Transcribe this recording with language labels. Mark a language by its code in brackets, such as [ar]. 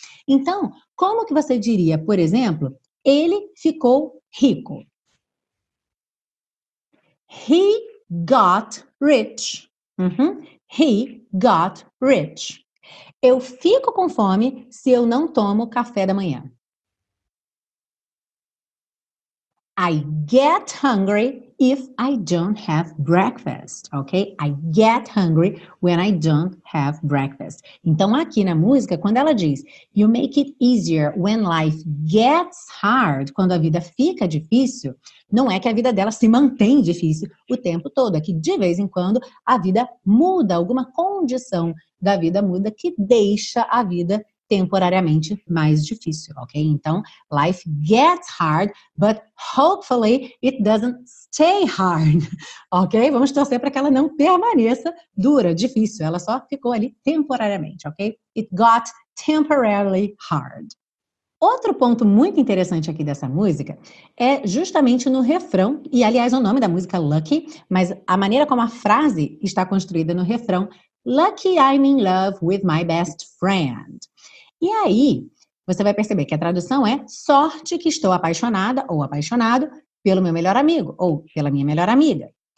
[pt] Então, como que você diria, por exemplo, ele ficou rico? [en] He got rich. He got rich. [pt] Eu fico com fome se eu não tomo café da manhã. [en] I get hungry if I don't have breakfast, ok? I get hungry when I don't have breakfast. [pt] Então, aqui na música, quando ela diz [en] you make it easier when life gets hard, [pt] quando a vida fica difícil, não é que a vida dela se mantém difícil o tempo todo, é que de vez em quando a vida muda, alguma condição da vida muda que deixa a vida temporariamente mais difícil, ok? [en] Então, life gets hard, but hopefully it doesn't stay hard, ok? [pt] Vamos torcer para que ela não permaneça dura, difícil. Ela só ficou ali temporariamente, ok? [en] It got temporarily hard. [pt] Outro ponto muito interessante aqui dessa música é justamente no refrão, e aliás o nome da música é Lucky, mas a maneira como a frase está construída no refrão, [en] Lucky I'm in love with my best friend. [pt] E aí, você vai perceber que a tradução é sorte que estou apaixonada ou apaixonado pelo meu melhor amigo ou pela minha melhor amiga.